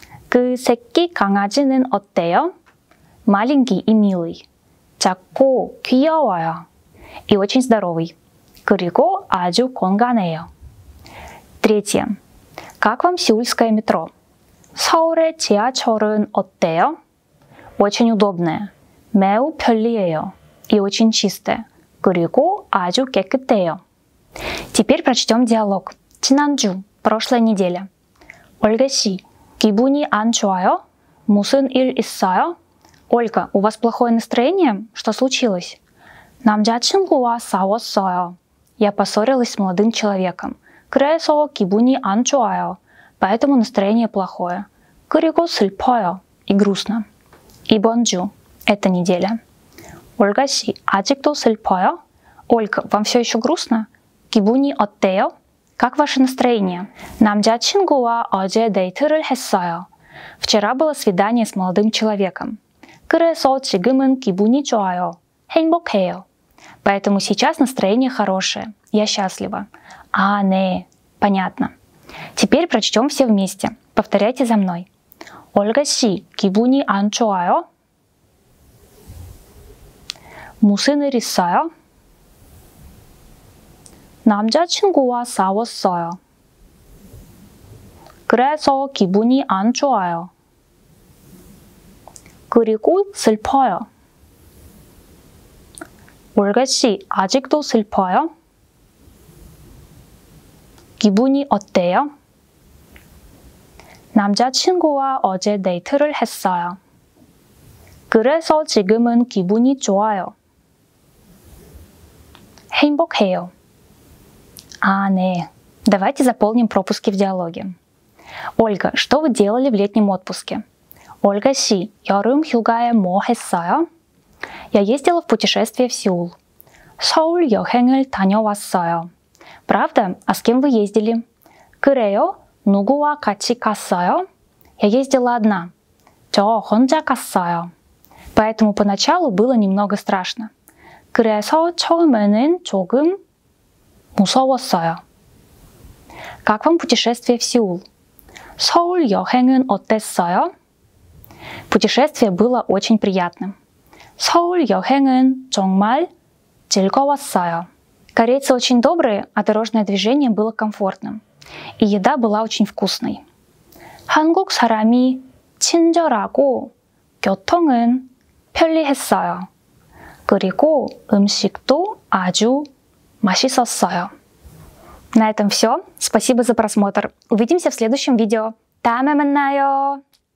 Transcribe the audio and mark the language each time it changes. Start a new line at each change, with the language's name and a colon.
Korean: 그 새끼 강아지는 어때요?
Russian: Маленький и милый.
Korean: 작고 귀여워요.
Russian: И очень здоровый.
Korean: 그리고 아주 건강해요.
Russian: Третье. Как вам сеульское метро?
Korean: 서울의 지하철은 어때요?
Russian: Очень удобное.
Korean: 매우 편리해요.
Russian: И очень чистое.
Korean: 그리고 아주 깨끗해요.
Russian: Теперь прочтем диалог.
Korean: 지난주,
Russian: прошлая неделя.
Korean: Ольга Си, 기분이 안 좋아요? 무슨 일 있어요?
Russian: Ольга, у вас плохое настроение? Что случилось?
Korean: 남자친구와 싸웠어요.
Russian: Я поссорилась с молодым человеком.
Korean: 그래서 기분이 안 좋아요.
Russian: Поэтому настроение плохое.
Korean: 그리고 슬퍼요.
Russian: И грустно.
Korean: 이번 주.
Russian: Эта неделя. Ольга Си,
Korean: 아직도 슬퍼요?
Russian: Ольга, вам все еще грустно?
Korean: 기분이 어때요?
Russian: Как ваше настроение?
Korean: 남자친구와 어제 데이트를 했어요.
Russian: Вчера было свидание с молодым человеком.
Korean: 그래서 지금은 기분이 좋아요. 행복해요.
Russian: Поэтому сейчас настроение хорошее. Я счастлива. А, не. Понятно. Теперь прочтем все вместе. Повторяйте за мной.
Korean: Ольга Си, 기분이 안 좋아요? 무슨 일 있어요? 남자친구와 싸웠어요. 그래서 기분이 안 좋아요. 그리고 슬퍼요. 올가 씨, 아직도 슬퍼요? 기분이 어때요? 남자친구와 어제 데이트를 했어요. 그래서 지금은 기분이 좋아요. 행복해요. 아, 네.
Russian: Давайте заполним пропуски в диалоге. Ольга, что вы делали в летнем отпуске?
Korean: Ольга Си, 여름 휴가에 뭐 했어요?
Russian: Я ездила в путешествие в Сеул.
Korean: 서울 여행을 다녀왔어요.
Russian: Правда? А с кем вы ездили?
Korean: 그래요? 누구와 같이 갔어요?
Russian: Я ездила одна.
Korean: 저 혼자 갔어요.
Russian: Поэтому поначалу было немного страшно.
Korean: 그래서 처음에는 조금 무서웠어요.
Russian: Как вам путешествие в Сеул?
Korean: 서울 여행은 어땠어요?
Russian: Путешествие было очень приятным.
Korean: 서울 여행은 정말 즐거웠어요.
Russian: Корейцы очень добрые, а дорожное движение было комфортным. И еда была очень вкусной.
Korean: 한국 사람이 친절하고 교통은 편리했어요. 그리고 음식도 아주 맛있었어요.
Russian: На этом все. Спасибо за просмотр. Увидимся в следующем видео.
Korean: 다음에 만나요.